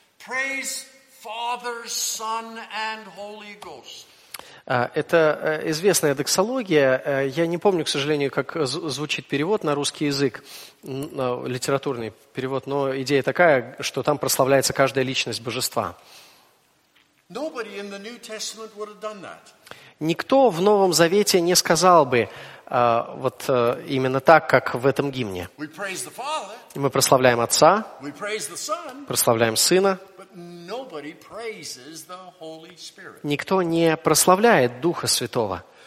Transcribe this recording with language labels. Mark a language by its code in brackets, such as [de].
[en] Praise Father, Son, and Holy Ghost. [ru] Это известная доксология. Я не помню, к сожалению, как звучит перевод на русский язык, литературный перевод, но идея такая, что там прославляется каждая личность Божества. [en] Nobody in the New Testament would have done that. [ru] Никто в Новом Завете не сказал бы вот именно так, как в этом гимне. Мы прославляем Отца, прославляем Сына. Никто не прославляет Духа Святого.